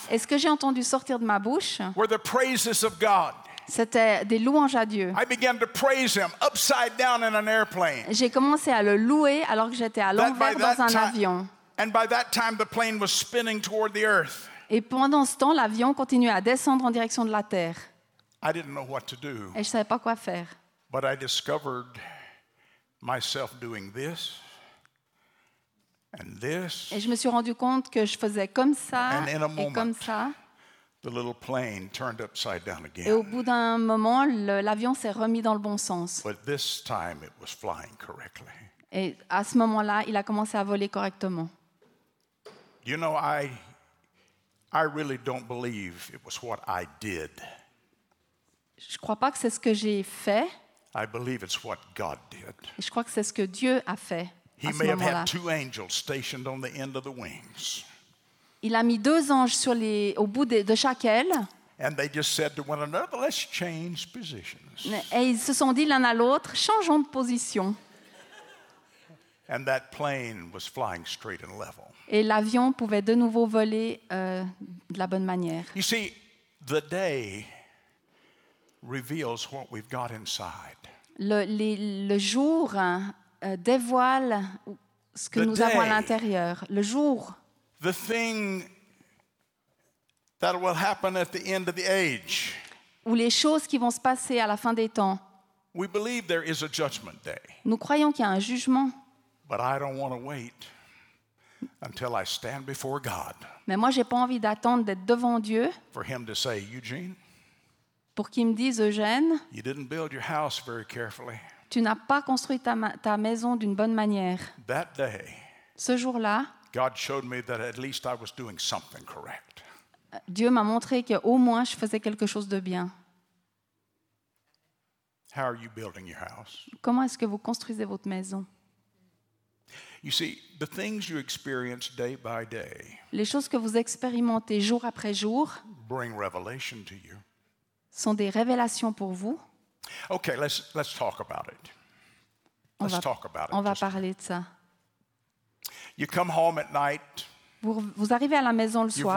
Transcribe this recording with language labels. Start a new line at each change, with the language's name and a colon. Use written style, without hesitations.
French: et ce que j'ai entendu sortir de ma bouche,
English: were the praises of God.
French: C'était des louanges à Dieu.
English: I began to praise him upside down in an airplane.
French: J'ai commencé à le louer alors que j'étais à l'envers dans un avion.
English: And by that time, the plane was spinning toward the earth.
French: Et pendant ce temps, l'avion continuait à descendre en direction de la terre.
English: I didn't know what to do.
French: Et je ne savais pas quoi faire.
English: But I discovered myself doing this and this.
French: Et je me suis rendu compte que je faisais comme ça et comme ça.
English: The little plane turned upside down again.
French: Et au bout d'un moment, l'avion s'est remis dans le bon sens.
English: But this time it was flying correctly.
French: Et à ce moment-là, il a commencé à voler correctement.
English: You know, I really don't believe it was what I did.
French: Je ne crois pas que c'est ce que j'ai fait.
English: I believe it's what God did.
French: Je crois que c'est ce que Dieu a fait.
English: He may have had two angels stationed on the end of the wings.
French: Il a mis deux anges sur les, au bout de chaque aile.
English: And they just said to one another, "Let's change positions."
French: Et ils se sont dit l'un à l'autre, changeons de position.
English: And that plane was flying straight and level.
French: Et l'avion pouvait de nouveau voler de la bonne manière.
English: You see, the day reveals what we've got inside.
French: Le jour dévoile ce que
English: the
French: nous avons à l'intérieur. Le jour.
English: The thing that will happen at the end of the age.
French: Ou les choses qui vont se passer à la fin des temps.
English: We believe there is a judgment day.
French: Nous croyons qu'il y a un jugement.
English: But I don't want to wait until I stand before God.
French: Mais moi, j'ai pas envie d'attendre d'être devant Dieu.
English: For him to say, Eugene.
French: Pour qu'il me dise, Eugène.
English: You didn't build your house very carefully.
French: Tu n'as pas construit ta maison d'une bonne manière.
English: That day.
French: Ce jour-là.
English: God showed me that at least I was doing something correct.
French: Dieu m'a montré que au moins je faisais quelque chose de bien.
English: How are you building your house?
French: Comment est-ce que vous construisez votre maison?
English: You see, the things you experience day by day.
French: Les choses que vous expérimentez jour après jour.
English: Bring revelation to you.
French: Sont des révélations pour vous.
English: Okay, let's talk about it.
French: On va parler de ça.
English: You come home at night.
French: Vous arrivez à la maison le soir.